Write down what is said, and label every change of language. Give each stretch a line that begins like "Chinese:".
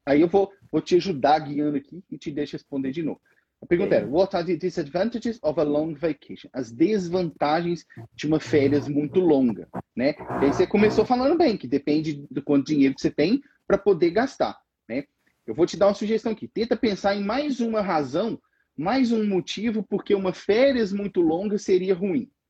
Portuguese: Aí eu vou te ajudar guiando aqui e te deixo responder de novo. A pergunta era:
English: What are the disadvantages of a long vacation?
Portuguese: As desvantagens de uma férias muito longa, né? E aí você começou falando bem, que depende do quanto dinheiro que você tem para poder gastar, né? Eu vou te dar uma sugestão aqui. Tenta pensar em mais uma razão. Mais um motivo porque uma férias muito longa seria ruim.